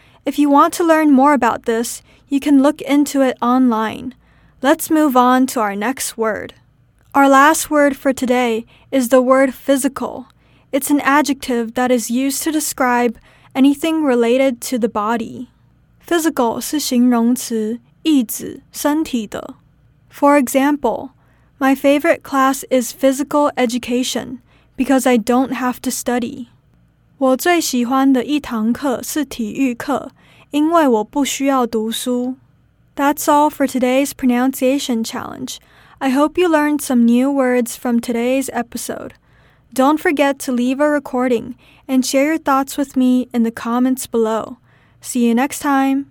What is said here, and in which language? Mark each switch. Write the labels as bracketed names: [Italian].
[English] If you want to learn more about this, you can look into it online. Let's move on to our next word. Our last word for today is the word physical. It's an adjective that is used to describe anything related to the body. [Chinese] Physical 是形容词,意指身体的. [English] For example, my favorite class is physical education because I don't have to study. [Chinese] 我最喜欢的一堂课是体育课,因为我不需要读书. [English] That's all for today's pronunciation challenge. I hope you learned some new words from today's episode. Don't forget to leave a recording and share your thoughts with me in the comments below. See you next time!